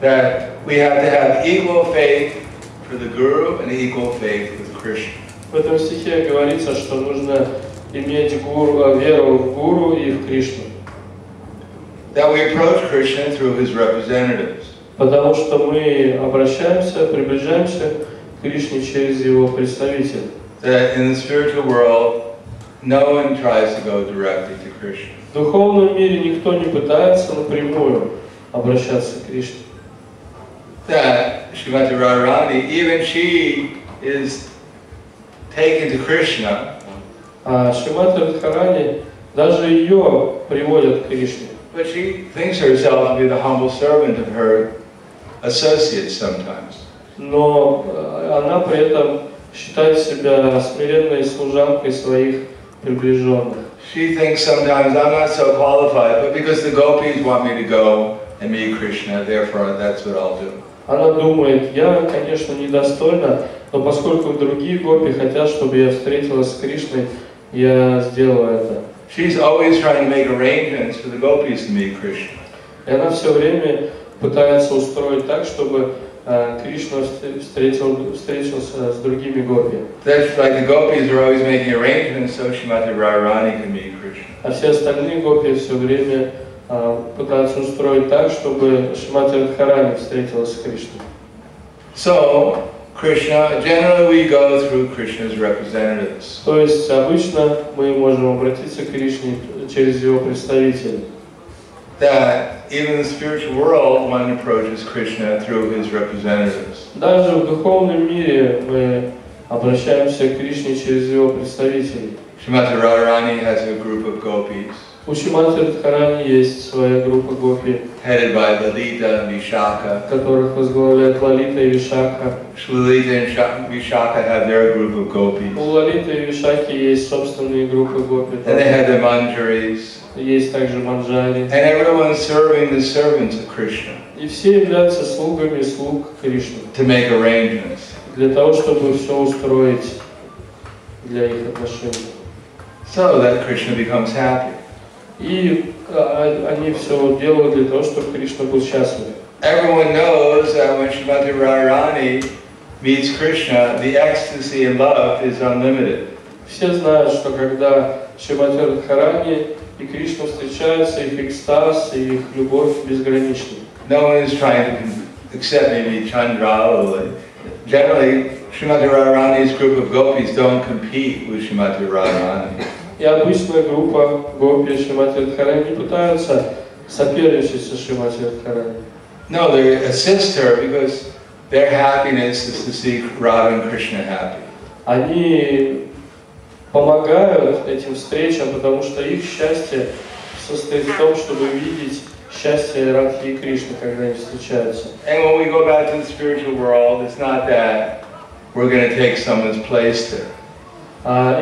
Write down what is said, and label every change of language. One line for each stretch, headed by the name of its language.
English: That we have to have equal faith for the Guru and equal faith with Krishna.
Russian: В этом стихе говорится, что нужно иметь веру в Гуру и в Кришну.
English: That we approach Krishna through his representatives.
Russian: Потому что мы обращаемся, приближаемся к Кришне через его представителя.
English: That in the spiritual world, no one tries to go directly to Krishna.
Russian: В духовном мире никто не пытается напрямую обращаться к Кришне.
English: That Shrimati Radharani, even she is taken to Krishna.
Russian: Shrimati Radharani, даже ее приводят к Кришне.
English: But she thinks herself to be the humble servant of her associates sometimes.
Russian: Но она при этом считает себя смиренной служанкой своих.
English: She thinks sometimes I'm not so qualified, but because the gopis want me to go and meet Krishna, therefore that's what I'll do.
Russian: Она думает, я, конечно, недостойна, но поскольку другие гопи хотят, чтобы я встретилась с Кришной, я сделаю это.
English: She's always trying to make arrangements for the gopis to meet Krishna.
Russian: И она все время пытается устроить так, чтобы Кришна встретился с другими гопи.
English: That's like the gopis are always making arrangements so Shrimati Radharani can meet Krishna.
Russian: А все остальные гопи все время пытаются устроить так, чтобы Шримати Радхарани встретилась с Кришной.
English: So, Krishna, generally we go through Krishna's representatives.
Russian: То есть обычно мы можем обратиться к Кришне через его представителя.
English: That even in the spiritual world, one approaches Krishna through his representatives.
Russian: Даже в духовном мире мы обращаемся к Кришне через его представителей.
English: Shrimati Radharani has a group of gopis.
Russian: У Шримати Радхарани есть своя группа гопи.
English: Headed by Lalita and Vishakha.
Russian: Которых возглавляют Лалита и Вишакха.
English: Lalita and Vishakha have their group of gopis.
Russian: У Лалиты и Вишакхи есть собственные группы гопи.
English: And they have their manjaris.
Russian: Есть также манджари.
English: And everyone's serving the servants of Krishna.
Russian: И все являются слугами слуг Кришны.
English: To make arrangements.
Russian: Для того, чтобы все устроить для их отношений.
English: So that Krishna becomes happy.
Russian: И они все делают для того, чтобы Кришна был счастлив.
English: Everyone knows that when Shrimati Radharani meets Krishna, the ecstasy and love is unlimited.
Russian: Все знают, что когда Шримати Радхарани и Кришна встречаются, их экстаз, и их любовь безгранична.
English: No one is trying to accept maybe Chandra or generally, Шримати Радхарани's group of gopis don't compete with Шримати Радхарани.
Russian: И обычная группа гопи Шримати Радхарани не пытаются соперничать со Шримати Радхарани.
English: No, they assist her because their happiness is to see Radha and Krishna happy.
Russian: Они помогают этим встречам, потому что их счастье состоит в том, чтобы видеть счастье Радхи и Кришны, когда они встречаются.
English: And when we go back to the spiritual world, it's not that we're going to take someone's place there.